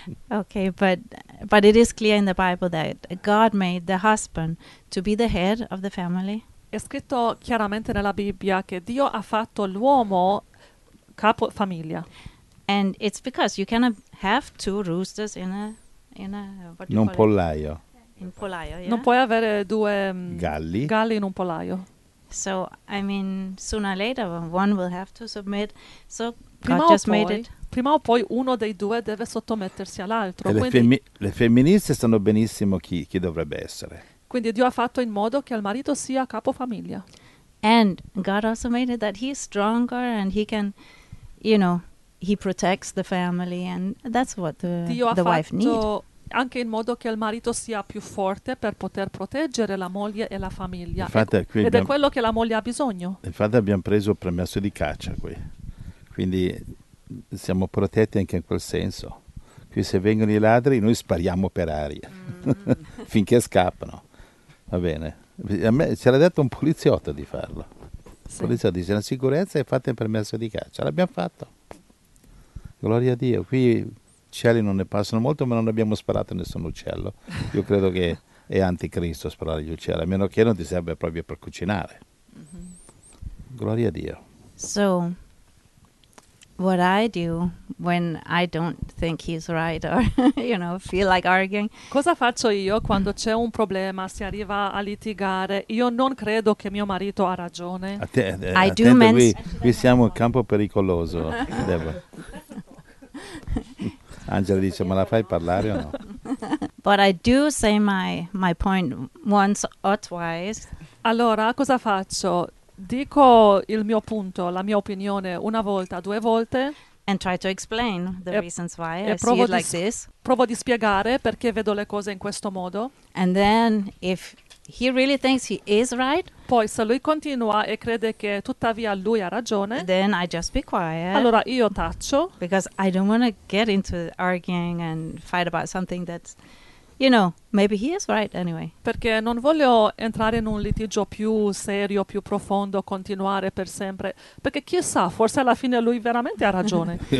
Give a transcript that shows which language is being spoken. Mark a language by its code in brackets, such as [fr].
[en] Okay, but it is clear in the Bible that God made the husband to be the head of the family. [it] È scritto chiaramente nella Bibbia che Dio ha fatto l'uomo capo famiglia. [en] And it's because you cannot have two roosters in a [it] non pollaio. In pollaio, yeah? Non puoi avere due galli in un pollaio. [en] So, I mean, sooner or later one will have to submit. So prima God just [it] poi, [en] made it. [it] Prima o poi uno dei due deve sottomettersi all'altro. Le femministe sanno benissimo chi dovrebbe essere. Quindi Dio ha fatto in modo che il marito sia capo famiglia. [en] And God also made it that he's stronger and he can, you know, he protects the family, and that's what the wife needs. [it] Dio ha fatto anche in modo che il marito sia più forte per poter proteggere la moglie e la famiglia. Infatti, ed è quello che la moglie ha bisogno. Infatti abbiamo preso il permesso di caccia qui. Quindi siamo protetti anche in quel senso. Qui se vengono i ladri noi spariamo per aria finché scappano. Va bene. A me ce l'ha detto un poliziotto di farlo. Sì. Il poliziotto dice la sicurezza e fate il permesso di caccia. L'abbiamo fatto. Gloria a Dio. Qui... uccelli non ne passano molto, ma non abbiamo sparato nessun uccello. Io credo che è anticristo sparare gli uccelli, a meno che non ti serve proprio per cucinare. Mm-hmm. Gloria a Dio. [en] So, what I do when I don't think he's right or, you know, feel like arguing? [it] Cosa faccio io quando c'è un problema, si arriva a litigare? Io non credo che mio marito ha ragione. Qui siamo in campo pericoloso. Angela dice, ma la fai parlare o no? [en] But I do say my point once or twice. [it] Allora, cosa faccio? Dico il mio punto, la mia opinione, una volta, due volte. [en] And try to explain the reasons why I see it like this. [it] Provo di spiegare perché vedo le cose in questo modo. [en] And then, if he really thinks he is right. [it] Poi, se lui continua e crede che tuttavia lui ha ragione. [en] Then I just be quiet. [it] Allora io taccio. [en] Because I don't want to get into arguing and fight about something that's, you know, maybe he is right anyway. [it] Perché non voglio entrare in un litigio più serio, più profondo, continuare per sempre. Perché chissà, forse alla fine lui veramente ha ragione.